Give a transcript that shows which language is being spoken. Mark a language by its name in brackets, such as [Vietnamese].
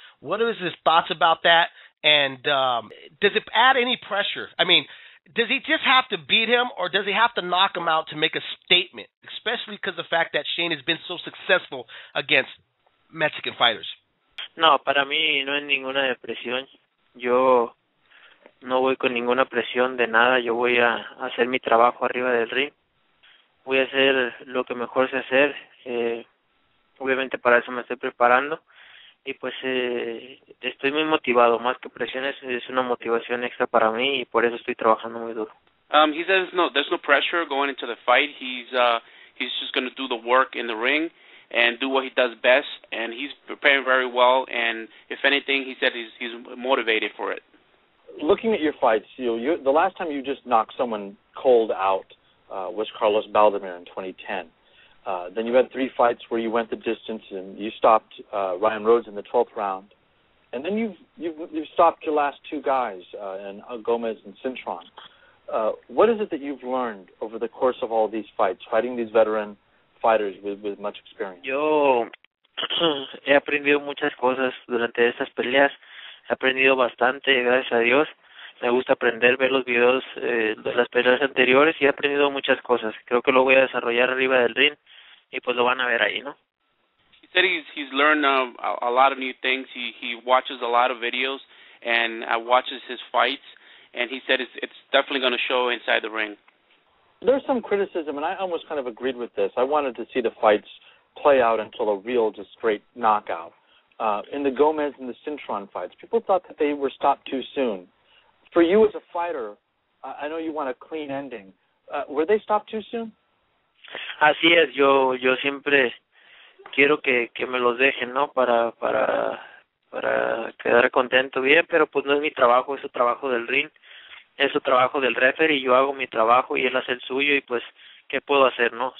[English] What are his thoughts about that, and does it add any pressure? I mean, does he just have to beat him, or does he have to knock him out to make a statement, especially because of the fact that Shane has been so successful against Mexican fighters? [Spanish] No, para mí no hay ninguna depresión. Yo no voy con ninguna presión de nada. Yo voy a hacer mi trabajo arriba del ring. Voy a hacer lo que mejor sé hacer. Obviamente para eso me estoy preparando. Y pues estoy muy motivado. Más que presión es una motivación extra para mí y por eso estoy trabajando muy duro. [English] He says no, there's no pressure going into the fight. He's just going to do the work in the ring and do what he does best, and he's preparing very well, and if anything, he said he's motivated for it. Looking at your fights, you the last time you just knocked someone cold out was Carlos Baldemir in 2010. Then you had three fights where you went the distance, and you stopped Ryan Rhodes in the 12th round. And then you've stopped your last two guys, Gomez and Cintron. What is it that you've learned over the course of all these fights, fighting these veteran fighters with much experience? [Spanish] Yo he aprendido muchas cosas durante estas peleas. He aprendido bastante, gracias a Dios. Me gusta aprender, ver los videos de las peleas anteriores y he aprendido muchas cosas. Creo que lo voy a desarrollar arriba del ring y pues lo van a ver ahí, ¿no? [English] He said he's learned a lot of new things. He watches a lot of videos and watches his fights, and he said it's definitely going to show inside the ring. There's some criticism, and I almost kind of agreed with this. I wanted to see the fights play out until a real, just straight knockout. In the Gomez and the Cintron fights, people thought that they were stopped too soon. For you as a fighter, I know you want a clean ending. Were they stopped too soon? [Spanish] Así es. Yo siempre quiero que me los dejen, ¿no? Para quedar contento bien, pero pues no es mi trabajo, es el trabajo del ring. Es su trabajo del referee y yo hago mi trabajo y él hace el suyo y pues, ¿qué puedo hacer, no?